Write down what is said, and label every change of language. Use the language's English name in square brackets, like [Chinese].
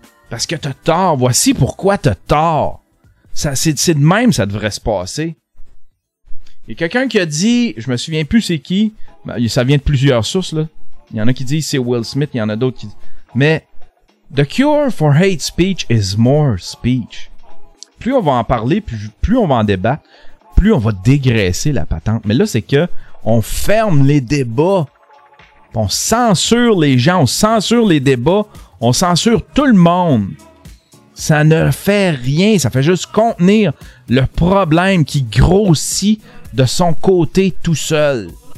[French] Parce que t'as tort. Voici pourquoi t'as tort. Ça, c'est de même, ça devrait se passer. Il y a quelqu'un qui a dit, je me souviens plus c'est qui, ça vient de plusieurs sources, là. Il y en a qui disent c'est Will Smith, il y en a d'autres qui disent. [English] Mais, the cure for hate speech is more speech. [French] Plus on va en parler, plus on va en débattre, plus on va dégraisser la patente. Mais là, c'est que on ferme les débats. On censure les gens, on censure les débats, on censure tout le monde. Ça ne fait rien, ça fait juste contenir le problème qui grossit de son côté tout seul.